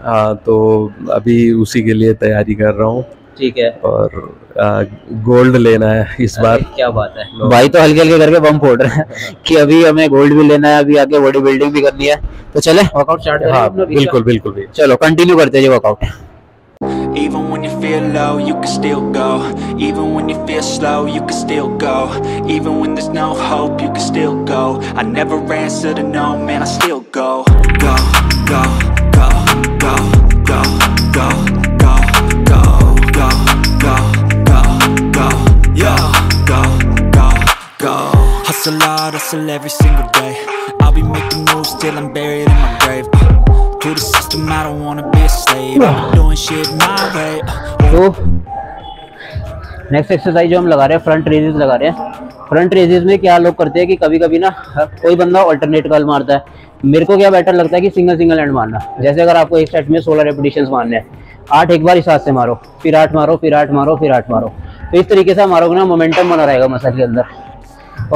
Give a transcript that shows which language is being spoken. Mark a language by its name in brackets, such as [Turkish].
[Hindi] हाँ तो अभी उसी के लिए तैयारी कर रहा हूँ। ठीक है। और गोल्ड लेना है इस बार। क्या बात है भाई, तो हल्के हल्के करके बम फोड़ रहे हैं कि अभी हमें गोल्ड भी लेना है, अभी आगे बॉडी बिल्डिंग भी करनी है। तो चले वर्कआउट स्टार्ट करते हैं। बिल्कुल बिल्कुल, चलो कंटिन्यू करते हैं workout. [English] Even when you feel low, you can still go. Even when you feel slow, you can still go. Even when there's no hope, you can still go. I never answer to no, man, I still go. Go, go, go, go, go, go, go, go, go, go, go, go, yo, go, go, go. Hustle hard, hustle every single day. I'll be making moves till I'm buried in my grave. [Hindi] तो next exercise जो हम लगा रहे हैं, front raises लगा रहे हैं। Front raises में क्या लोग करते हैं कि कभी कभी ना कोई बंदा अल्टरनेट कर्ल मारता है। मेरे को क्या बेटर लगता है कि सिंगल सिंगल एंड मारना। जैसे अगर आपको एक सेट में 16 रेपिटेशंस मारने हैं, 8 एक बार इस हाथ से मारो, फिर 8 मारो, फिर 8 मारो, फिर 8 मारो, तो इस तरीके से मारोगे ना मोमेंटम बना रहेगा मसल के अंदर।